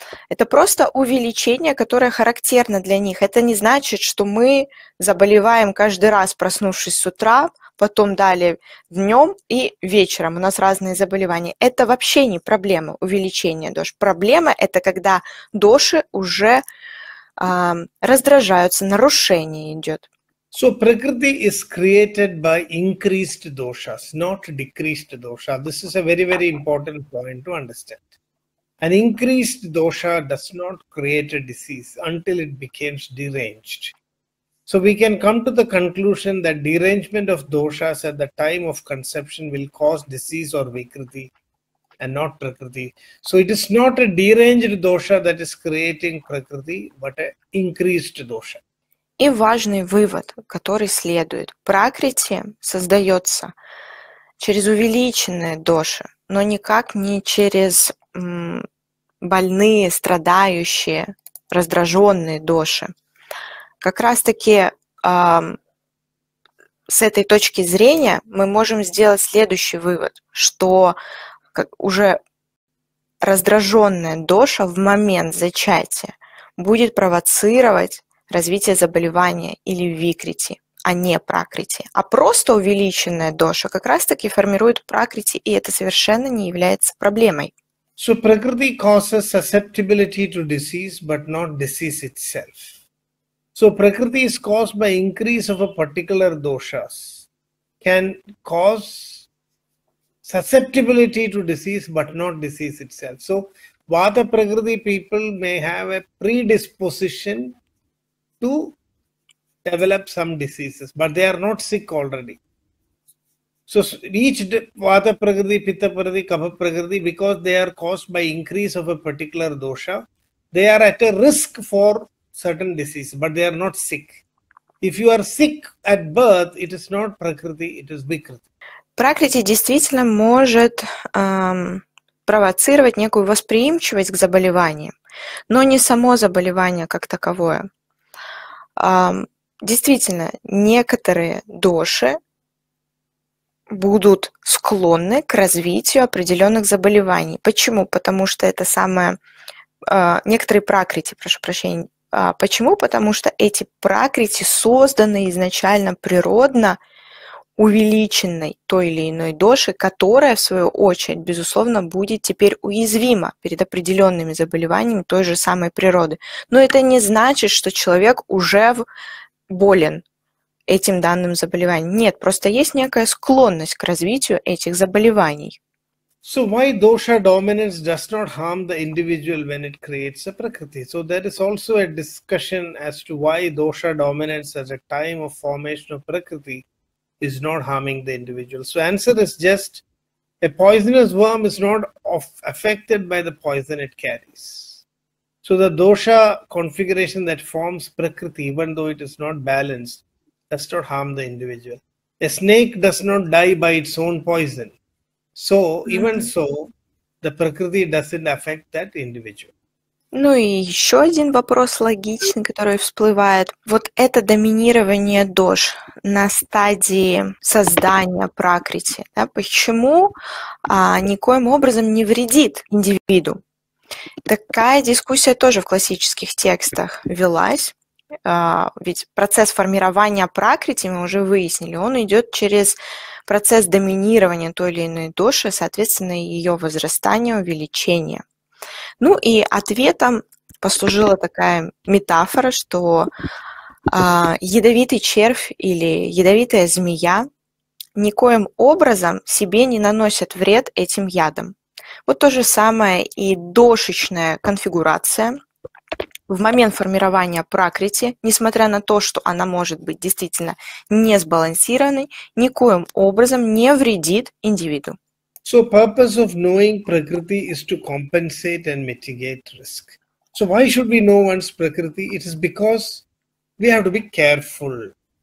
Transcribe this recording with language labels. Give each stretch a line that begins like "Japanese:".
Russian: Это просто увеличение, которое характерно для них. Это не значит, что мы заболеваем каждый раз, проснувшись с утра, потом далее днем и вечером. У нас разные заболевания. Это вообще не проблема, увеличение доши. Проблема – это когда доши уже раздражаются, нарушение идет.
English: So Prakriti is created by increased doshas, not decreased dosha. This is a very, very important point to understand. An increased dosha does not create a disease until it becomes deranged. So we can come to the conclusion that derangement of doshas at the time of conception will cause disease or vikriti and not Prakriti. So it is not a deranged dosha that is creating Prakriti, but an increased dosha.
Russian: И важный вывод, который следует. Пракрити создается через увеличенные доши, но никак не через больные, страдающие, раздраженные доши. Как раз-таки с этой точки зрения мы можем сделать следующий вывод, что уже раздраженная доша в момент зачатия будет провоцировать развитие заболевания или викрити, а не пракрити. А просто увеличенная доша как раз-таки формирует пракрити, и это совершенно не является проблемой.
English: So prakriti causes susceptibility to disease, but not disease itself. So prakriti is caused by increase of a particular doshas, can cause susceptibility to disease, but not disease itself. So vata prakriti people may have a predisposition to develop some diseases, but they are not sick already. So each vata prakriti, pitta prakriti, kapha prakriti, because they are caused by increase of a particular dosha, they are at a risk for certain disease, but they are not sick. If you are sick at birth, it is not prakriti, it is vikriti.
Russian: Prakriti действительно может провоцировать некую восприимчивость к заболеваниям, но не само заболевание как таковое. Действительно, некоторые доши будут склонны к развитию определенных заболеваний. Почему? Потому что это самое... некоторые пракрити, прошу прощения. Почему? Потому что эти пракрити созданы изначально природно увеличенной той или иной доши, которая, в свою очередь, безусловно, будет теперь уязвима перед определенными заболеваниями той же самой природы. Но это не значит, что человек уже болен этим данным заболеванием. Нет, просто есть некая склонность к развитию этих заболеваний.
English: So why dosha dominance does not harm the individual when it creates a prakriti? So there is also a discussion as to why dosha dominance as a time of formation of prakriti is not harming the individual. So answer is just a poisonous worm is not affected by the poison it carries. So the dosha configuration that forms prakriti, even though it is not balanced, does not harm the individual. A snake does not die by its own poison. So even so, the prakriti doesn't affect that individual.
Russian: Ну и еще один вопрос логичный, который всплывает. Вот это доминирование дош на стадии создания пракрити, да, почему никоим образом не вредит индивиду? Такая дискуссия тоже в классических текстах велась. Ведь процесс формирования пракрити, мы уже выяснили, он идет через процесс доминирования той или иной доши, соответственно, ее возрастание, увеличение. Ну и ответом послужила такая метафора, что ядовитый червь или ядовитая змея никоим образом себе не наносят вред этим ядом. Вот то же самое и дошечная конфигурация. В момент формирования пракрити, несмотря на то, что она может быть действительно не сбалансированной, никоим образом не вредит индивиду.
English: So purpose of knowing prakriti is to compensate and mitigate risk. So why should we know one's prakriti? It is because we have to be careful.